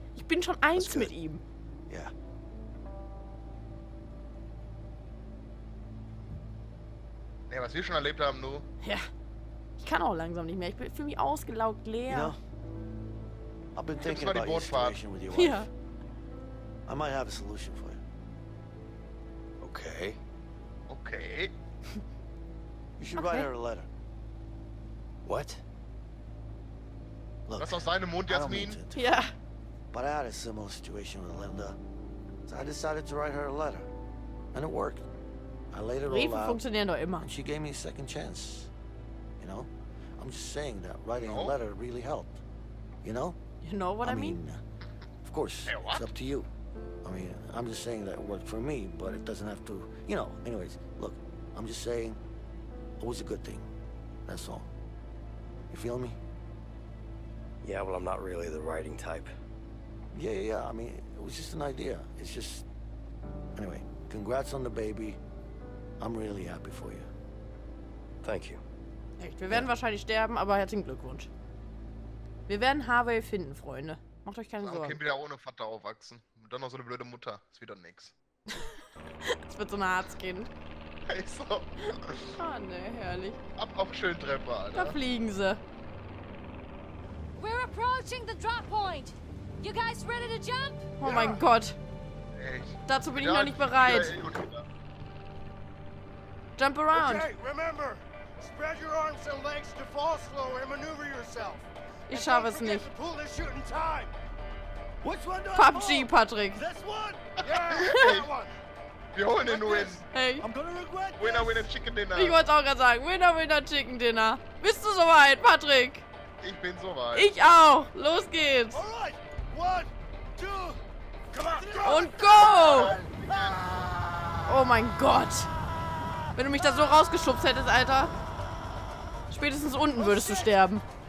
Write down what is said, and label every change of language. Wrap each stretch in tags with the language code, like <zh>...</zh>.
<de>Ich bin schon eins mit ihm. Ja.</de> <en>Yeah.</en> <de>Ja, was wir schon erlebt haben, du. Ja. Ich kann auch langsam nicht mehr. Ich fühle mich ausgelaugt, leer. Ja.</de> <en>I've been thinking about your situation with your wife.</en> <de>Ja.</de> <en>I might have a solution for you. Okay. Okay. You should write her a letter. What? Look,</en> <de>das ist aus deinem Mund, Jasmin. Ja.</de> <en>But I had a similar situation with Linda. So I decided to write her a letter. And it worked. I laid it all out.</en> <de>Briefe funktionieren doch immer.</de> <en>And she gave me a second chance. You know? I'm just saying that writing a letter really helped. You know? You know what I mean? Of course, it's up to you. I mean, I'm just saying that it worked for me, but it doesn't have to, you know. Anyways, look, I'm just saying it was a good thing. That's all. You feel me? Yeah, well, I'm not really the writing type. Yeah. I mean, it was just an idea. It's just, anyway, congrats on the baby. I'm really happy for you. Thank you.</en> <de>Echt, wir werden wahrscheinlich sterben, aber herzlichen Glückwunsch. Wir werden Harvey finden, Freunde. Macht euch keine Sorgen. Kind wird ja ohne Vater aufwachsen. Und dann noch so eine blöde Mutter. Ist wieder nix. Das wird so ein Harzkind. Ey, so. Ah, oh, ne, herrlich. Ab auf schön Treppe, Alter. Da fliegen sie.</de> <en>We're approaching the drop point. You guys ready to jump?</en> <de>Oh mein Gott. Echt? Dazu bin ich noch nicht bereit.</de> <en>Jump around. Okay, remember, spread your arms and legs to fall slow and maneuver yourself.</en> <de>Ich schaffe es nicht.</de> <en>To pull the shooting time. Which one do I PUBG, Patrick. This one? Yeah, that one.</en> <de>Wir holen den Win. Hey.</de> <en>I'm gonna regret this. Winner, winner, chicken dinner.</en> <de>Ich wollte auch gerade sagen,</de> <en>winner, winner, chicken dinner.</en> <de>Bist du soweit, Patrick? Ich bin soweit. Ich auch. Los geht's.</de> <en>Alright. One, two, come on.</en> <de>Und go. Oh mein Gott. Wenn du mich da so rausgeschubst hättest, Alter. Spätestens unten würdest du sterben.</de>